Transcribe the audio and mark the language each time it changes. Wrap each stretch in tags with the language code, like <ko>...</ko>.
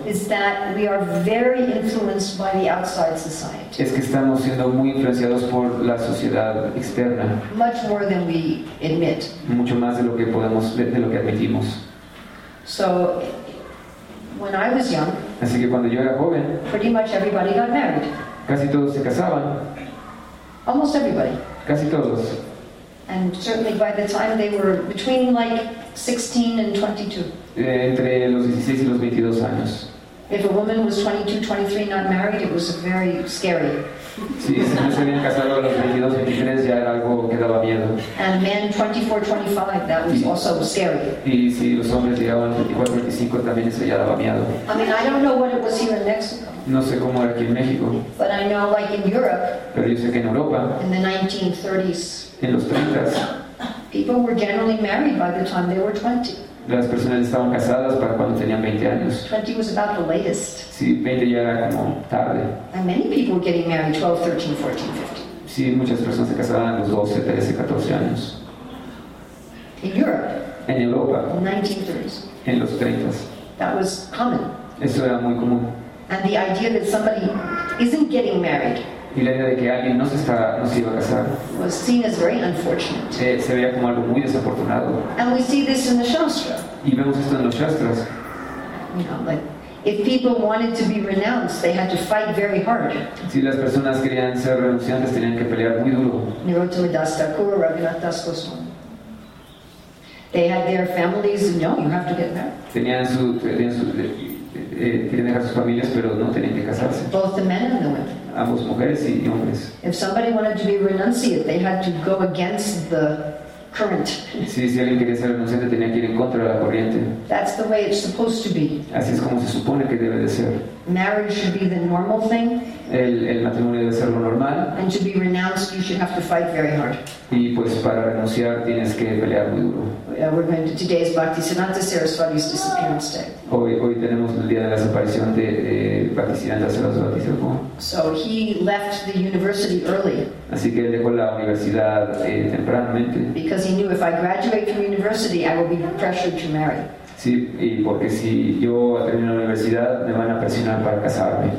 <en>Is that we are very influenced by the outside society.</en> <es>Es que estamos siendo muy influenciados por la sociedad externa.</es> <en>Much more than we admit.</en> <es>Mucho más de lo que podemos de lo que admitimos.</es> <en>So when I was young,</en> <es>así que cuando yo era joven,</es> <en>pretty much everybody got married.</en> <es>Casi todos se casaban.</es> <en>Almost everybody.</en> <es>Casi todos.</es> <en>And certainly by the time they were between like 16 and 22.</en> <es>Entre los 16 y los 22 años.</es> <en>If a woman was 22, 23 not married, it was very scary.</en> <es>Sí, si no se habían casado a los 22, 23 ya era algo que daba miedo.</es> <en>And men 24, 25, that was also scary.</en> <es>Y si los hombres llegaban 24, 25 también eso ya daba miedo.</es> <en>I mean, I don't know what it was here in Mexico.</en> <es>No sé cómo era aquí en México.</es> <en>But I know, like in Europe.</en> <es>Pero yo sé que en Europa.</es> <en>In the 1930s.</en> <es>En los 30s.</es> <en>People were generally married by the time they were 20.</en> <es>Las personas estaban casadas para cuando tenían 20 años.</es> <en>20 was about the latest.</en> <es>Sí, 20 ya era como tarde.</es> <en>And many people were getting married 12, 13, 14, 15.</en> <es>Sí, muchas personas se casaban a los 12, 13, 14 años.</es> <en>In Europe.</en> <es>En Europa.</es> <en>In 1930s.</en> <es>En los 30s.</es> <en>That was common.</en> <es>Eso era muy común.</es> <en>And the idea that somebody isn't getting married.</en> <es>Y la idea de que alguien no se iba a casar.</es> <en>Was seen as very unfortunate.</en> <es>Se veía como algo muy desafortunado.</es> <en>And we see this in the Shastra.</en> <es>Y vemos esto en los Shastras.</es> <en>You know, like, if people wanted to be renounced, they had to fight very hard.</en> <es>Si las personas querían ser renunciantes, tenían que pelear muy duro.</es> <en>Nirottama Das Thakur, Raghunath Das Goswami. They had their families, no, you have to get married.</en> <es>Tienen dejar sus familias, pero no tienen que casarse.</es> <en>Both the men and the women.</en> <es>Ambos mujeres y hombres.</es> <en>If somebody wanted to be renunciate, they had to go against the current.</en> <es>Si alguien quería ser renunciante, tenía que ir en contra de la corriente.</es> <en>That's the way it's supposed to be.</en> <es>Así es como se supone que debe de ser.</es> <en>Marriage should be the normal thing.</en> <es>El matrimonio debe ser lo normal.</es> <en>And to be renounced, you should have to fight very hard.</en> <es>Y pues para renunciar tienes que pelear muy duro.</es> <en>We're going to today's Bhakti Siddhanta Saraswati's disappearance day.</en> <es>Hoy tenemos el día de la desaparición de Bhakti Siddhanta Saraswati.</es> <en>So he left the university early.</en> <es>Así que él dejó la universidad tempranamente.</es> <en>Because he knew if I graduate from university, I will be pressured to marry.</en> <es>Sí, y porque si yo termino la universidad, me van a presionar para casarme.</es>